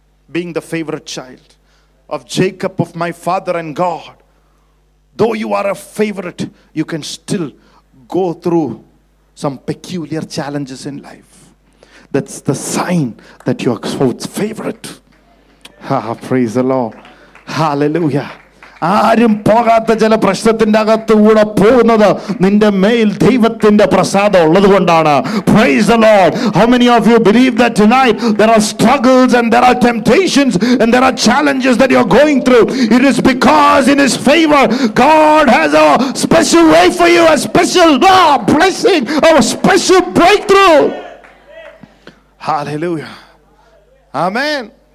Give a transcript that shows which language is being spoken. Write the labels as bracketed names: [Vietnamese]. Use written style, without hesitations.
[English] being the favorite child of Jacob, of my father and God. Though you are a favorite, you can still go through some peculiar challenges in life. That's the sign that you are God's favorite. Ah, praise the Lord. Hallelujah. [Malayalam] ആരും പോകാത്ത ചില പ്രശ്നത്തിന്റെ അകത്ത് കൂടെ പോകുന്നത് നിന്റെ മേൽ ദൈവത്തിന്റെ പ്രസാദം ഉള്ളത് കൊണ്ടാണ്. [English] Praise the Lord. How many of you believe that tonight there are struggles and there are temptations and there are challenges that you are going through? It is because in His favor, God has a special way for you, a special blessing, a special breakthrough. Hallelujah. Amen.